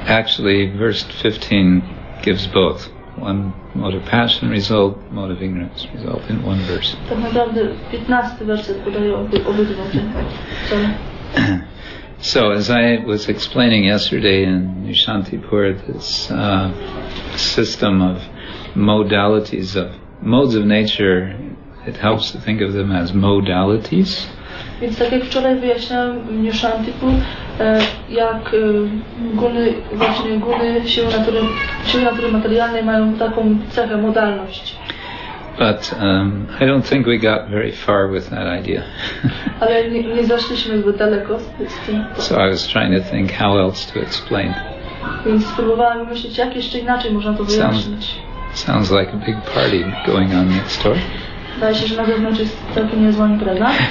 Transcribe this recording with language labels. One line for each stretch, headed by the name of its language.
English: Actually, verse 15 gives both. One mode of passion result, mode of ignorance result in one verse.
Polish: Tak naprawdę 15 werset podaje obydwa te cele.
English: So as I was explaining yesterday in Nishantipur, this system of modalities, of modes of nature, it helps to think of them as modalities.
Polish: Więc tak jak wczoraj wyjaśniałem w Nishantipur, jak guny, właśnie guny, siły natury materialnej mają taką cechę modalność.
English: But I don't think we got very far with that idea.
Polish: Ale nie zaszliśmy zbyt daleko z tym.
English: So I was trying to think how else to explain.
Polish: Więc spróbowałem myśleć, jak jeszcze inaczej można to wyjaśnić.
English: Sounds like a big party going on next door.
Polish: Wydaje się, że na zewnątrz jest całkiem niezła impreza.